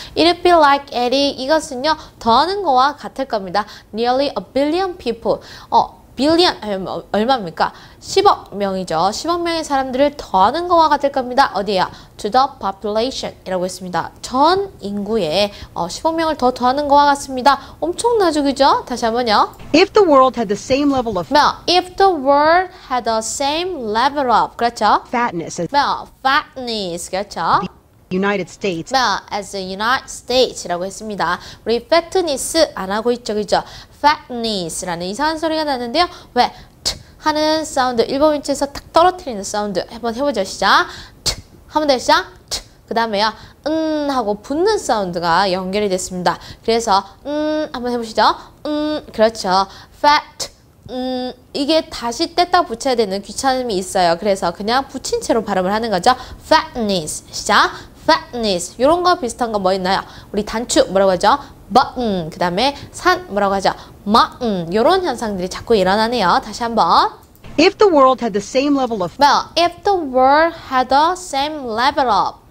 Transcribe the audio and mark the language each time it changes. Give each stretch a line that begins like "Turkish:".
English: It would be like adding
Korean: 이것은요 더하는 거와 같을 겁니다.
English: Nearly a billion people. Billion
Korean: 얼마입니까? 10억 명이죠. 10억 명의 사람들을 더하는 거와 같을 겁니다. 어디야?
English: To the population
Korean: 이라고 했습니다. 전 인구에 10억 명을 더 더하는 거와 같습니다. 엄청나죠, 그죠? 다시 한번요.
English: If the world had the same level of If the world had the same level of
Korean: 그렇죠?
English: Fatness. Fatness
Korean: 그렇죠?
English: United States. Well, as the United States
Korean: 라고 했습니다. 우리 fatness 안 하고 있죠, 그죠? Fatness라는 이상한 소리가 나는데요. 왜? T 하는 사운드, 일본 위치에서 탁 떨어뜨리는 사운드 한번 해보죠. 시작. T 하면 되시죠? T 그 다음에요. 하고 붙는 사운드가 연결이 됐습니다. 그래서 한번 해보시죠. 그렇죠.
English: Fat.
Korean: 이게 다시 뗐다 붙여야 되는 귀찮음이 있어요. 그래서 그냥 붙인 채로 발음을 하는 거죠.
English: Fatness. 시작. Fatness.
Korean: 이런 거 비슷한 거 뭐 있나요? 우리 단추 뭐라고 하죠? Button. 그 다음에 산 뭐라고 하죠?
English: Mountain.
Korean: 이런 현상들이 자꾸 일어나네요. 다시 한번.
English: If the world had the same level of. Well, if the world had the same level of.